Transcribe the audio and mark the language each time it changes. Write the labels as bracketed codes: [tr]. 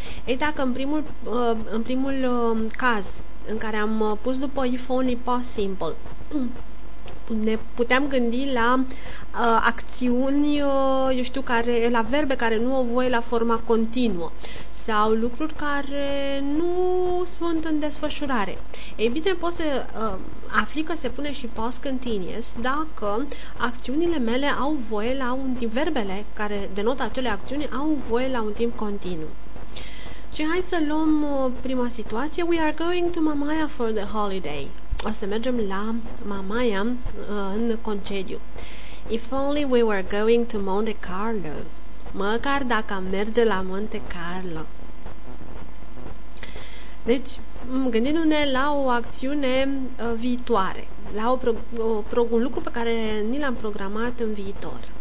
[ro] Ei, dacă în primul caz în care am pus după if only past simple, ne puteam gândi la acțiuni, eu știu, care, la verbe care nu au voie la forma continuă sau lucruri care nu sunt în desfășurare. Ei bine, poți să afli că se pune și past continuous dacă acțiunile mele au voie la un timp, verbele care denotă acele acțiuni au voie la un timp continuu. Și hai să luăm prima situație. [en] We are going to Mamaia for the holiday. [ro] O să mergem la Mamaia în concediu. [en] If only we were going to Monte Carlo. [ro] Măcar dacă am merge la Monte Carlo. Deci, gândindu-ne la o acțiune viitoare, la un lucru pe care ni l-am programat în viitor.